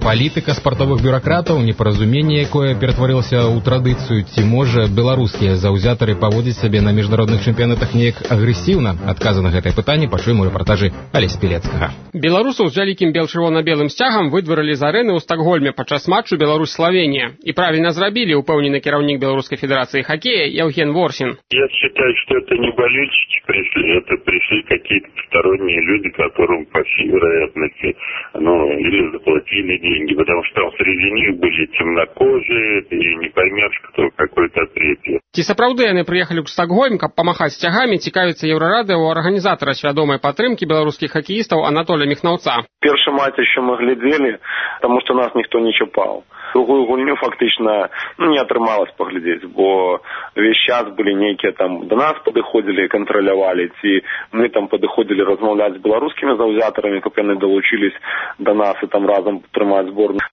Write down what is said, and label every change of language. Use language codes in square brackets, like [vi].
[be] Палітыка спартовых бюракратаў, непаразуменне, якое ператварылася ў традыцыю, ці можа беларускія заўзятары паводзіць сябе на міжнародных чэмпіянатах неяк агрэсіўна? Адказы на гэтае пытанне пачуем у рэпартажы Алесі Пілецкага. Беларусаў з вялікім бел-чырвона-белым сцягам выдварылі з арэны ў Стакгольме падчас матчу Беларусь-Славенія. І правільна зрабілі, упэўнены кіраўнік Беларускай федэрацыі хакея Яўген Ворсін. [ru] Я считаю, что это не болельщики пришли, это пришли какие-то сторонние люди, которым по всей вероятности, ну, или заплатили деньги, потому что там среди них были темнокожие, и не поймешь, кто какой-то третий. [be] Ці сапраўды яны прыехалі ў Стакгольм, каб памахаць сцягамі, цікавіцца Еўрарады ў арганізатара свядомай падтрымкі беларускіх хакеістаў Анатоля Міхнаўца. Першы матч яшчэ мы глядзелі, таму што нас ніхто не чапаў. Другую гульню фактычна не атрымалася паглядзець, бо весь час былі нейкія там да нас падыходзілі, кантралявалі, ці мы там падыходзілі размаўляць з беларускімі заўзятарамі, каб яны далучыліся да нас і там разам трымаць зборную.